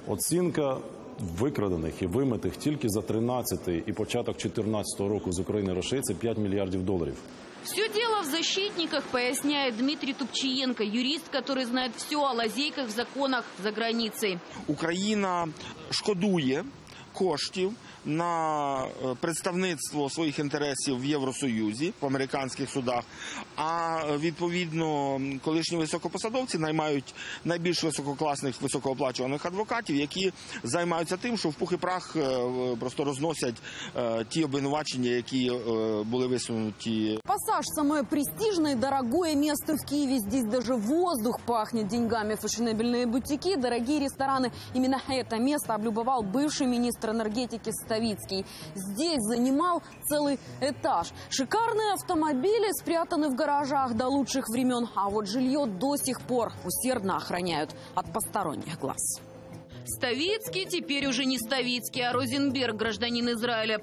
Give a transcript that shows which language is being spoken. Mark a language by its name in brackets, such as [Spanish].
[Ukrainian] Оцінка викрадених і вимитих тільки за 13-й і початок 14-го року з України рушається 5 мільярдів доларів. [Russian] Все дело в защитниках, поясняет Дмитрий Тупчиенко, юрист, который знает все о лазейках в законах за границей. [Ukrainian] Украина шкодує коштів на представництво своїх інтересів в Євросоюзі, в американських судах, а відповідно колишні високопосадовці наймають найбільш висококласних високооплачуваних адвокатів, які займаються тим, що в пух і прах просто розносять ті обвинувачення, які були висунуті. Пасаж – саме престижне і [Russian] дорогое [Ukrainian] місце в Києві. [Russian] Здесь даже воздух пахне деньгами. [Ukrainian] Фешенебельні бутики, дорогі ресторани. Іменно це місце облюбував [Russian] бывший [Ukrainian] міністр енергетики Ставі. [Russian] Здесь занимал целый этаж. Шикарные автомобили спрятаны в гаражах до лучших времен. А вот жилье до сих пор усердно охраняют от посторонних глаз. Ставицкий теперь уже не Ставицкий, а Розенберг, гражданин Израиля.